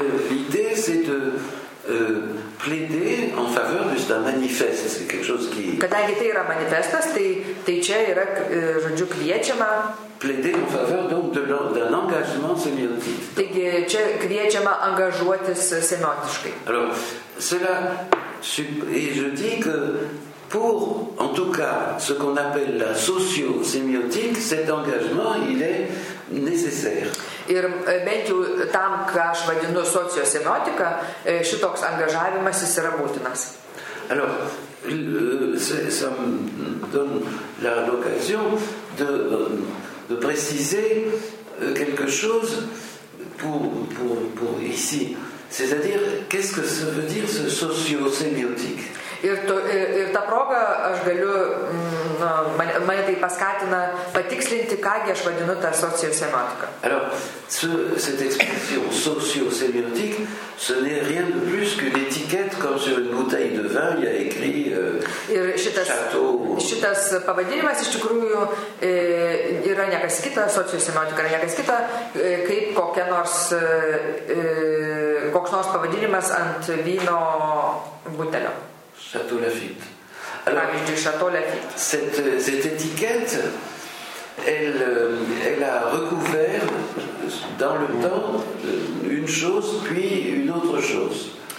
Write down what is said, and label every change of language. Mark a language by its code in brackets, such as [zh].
[fr] L'idée, c'est de plaider en faveur de ce manifeste, c'est quelque chose qui... [lt] Kadangi tai yra manifestas, tai čia yra, žodžiu, kviečiama... [fr] Plaider en faveur donc d'un engagement sémiotique. [lt] Taigi čia kviečiama angažuotis semiotiškai. [fr] Alors, cela... Et je dis que pour, en tout cas, ce qu'on appelle la socio-sémiotique, cet engagement, il est nécessaire. [lt] Ir bent jau tam, ką aš vadinu sociosemiotika, šitoks angažavimas jis yra būtinas. [fr] Alors, ça me donne l'occasion de préciser quelque chose pour ici. C'est-à-dire, qu'est-ce que ça veut dire ce sociosemiotique? [lt] Ir tą progą aš galiu, mane tai paskatina patikslinti, kągi aš vadinu tą sociosemiotiką. [fr] Alors, cette expression sociosemiotique, ce n'est rien de plus qu'une étiquette, comme sur une bouteille de vin, il y a écrit château. [lt] Šitas pavadinimas iš tikrųjų yra nekas kita, sociosemiotika yra nekas kita, kaip kokia nors, koks nors pavadinimas ant vyno butelio. [fr] Château Lafitte. Alors, du Château Lafitte. Cette étiquette, elle a recouvert dans le temps une chose, puis une autre chose.